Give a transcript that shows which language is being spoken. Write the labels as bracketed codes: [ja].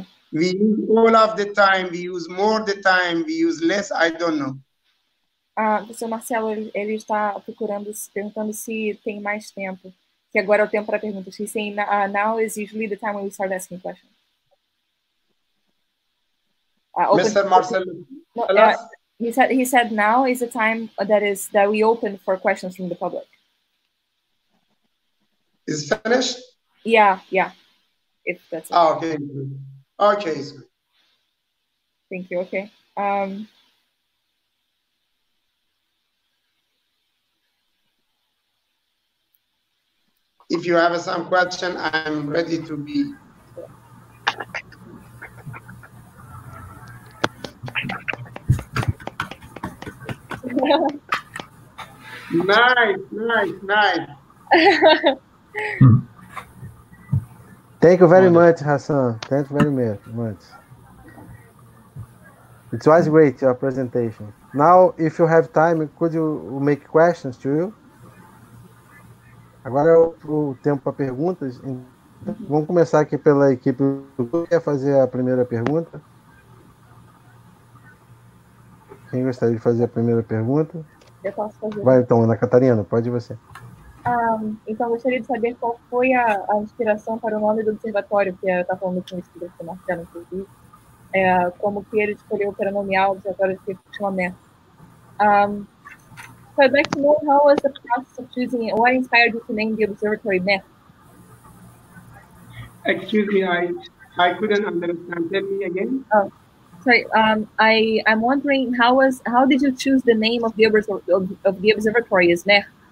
[en] We use all of the time, we use more the time, we use less, I don't know. [pt] Professor Marcelo, ele está procurando, perguntando se tem mais tempo, que agora é o tempo para perguntas. [en] He's saying, now is usually the time when we start asking questions. Mr. Marcelo, he said now is the time that we open for questions from the public. Is it finished? Yeah. If that's it. Okay. Thank you. Okay. If you have some question, I'm ready to be. Nice. Thank you very much, Hassan. Thank you very much. It was great, your presentation. Now, if you have time, could you make questions to you? [pt] Agora é o tempo para perguntas. Vamos começar aqui pela equipe que quer fazer a primeira pergunta. Quem gostaria de fazer a primeira pergunta? Eu posso fazer. Vai então, Ana Catarina, pode você. Então, gostaria de saber qual foi a inspiração para o nome do observatório, que eu estava falando com o professor Marcelo, inclusive, como que ele escolheu para nomear o observatório de Chamamento. [en] So I'd like to know how was the process of choosing, what inspired you to name the observatory MET? Excuse me, I couldn't understand. Tell me again. I'm wondering how did you choose the name of the observatory is MET?